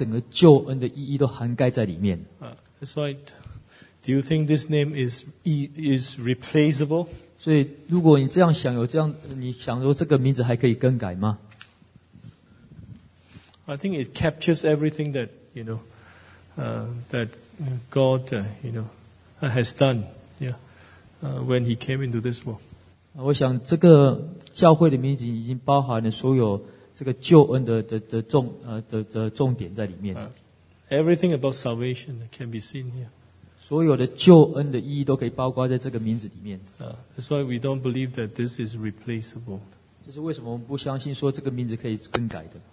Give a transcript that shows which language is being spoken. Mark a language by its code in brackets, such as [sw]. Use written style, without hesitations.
[zh] 所以我们看这个真耶稣教会这个名字已经包括整个救恩的意义都涵盖在里面。 [en] That's right. Do you think this name is replaceable? [zh] 所以如果你这样想，你想说这个名字还可以更改吗？ [en] I think it captures everything that you know that God you know has done. Yeah, when He came into this world. [zh] 我想这个教会的名字已经包含了所有这个救恩的重点在里面。 [en] Everything about salvation can be seen here. [zh] 所有的救恩的意义都可以包括在这个名字里面。 [en] That's why we don't believe that this is replaceable. [zh] 这是为什么我们不相信说这个名字可以更改的。